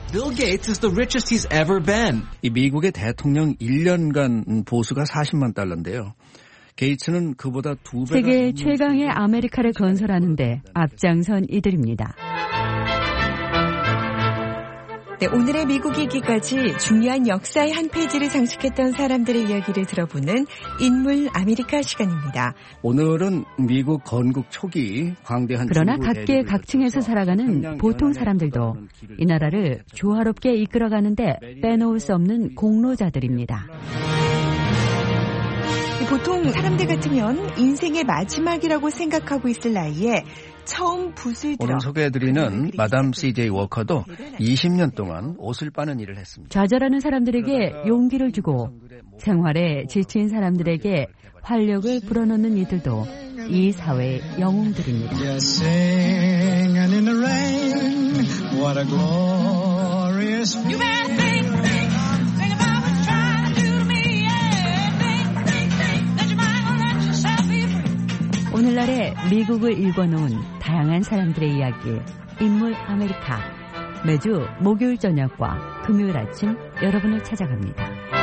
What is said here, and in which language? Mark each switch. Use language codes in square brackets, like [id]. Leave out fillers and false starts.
[en] Bill Gates is the richest he's ever been. [ko] 이 미국의 대통령 1년간 보수가 40만 달러인데요. 게이츠는 그보다 두 배. 세계 최강의 아메리카를 건설하는데 앞장선 이들입니다. 네, 오늘의 미국 얘기까지 중요한 역사의 한 페이지를 장식했던 사람들의 이야기를 들어보는 인물 아메리카 시간입니다. 오늘은 미국 건국 초기 광대한 그러나 각계 각층에서 살아가는 보통 사람들도 이 나라를 조화롭게 이끌어가는데 빼놓을 수 없는 공로자들입니다. 보통 사람들 같으면 인생의 마지막이라고 생각하고 있을 나이에 처음 붓을 들어 오늘 소개해드리는 마담 CJ 워커도 20년 동안 옷을 빠는 일을 했습니다. 좌절하는 사람들에게 용기를 주고 생활에 지친 사람들에게 활력을 불어넣는 이들도 이 사회의 영웅들입니다. [en] Singing in the rain, what a glorious view. You better think about what's trying to do to me. Yeah, think, think, think. [ko] 오늘날에 미국을 읽어놓은 다양한 사람들의 이야기 인물 아메리카 매주 목요일 저녁과 금요일 아침 여러분을 찾아갑니다.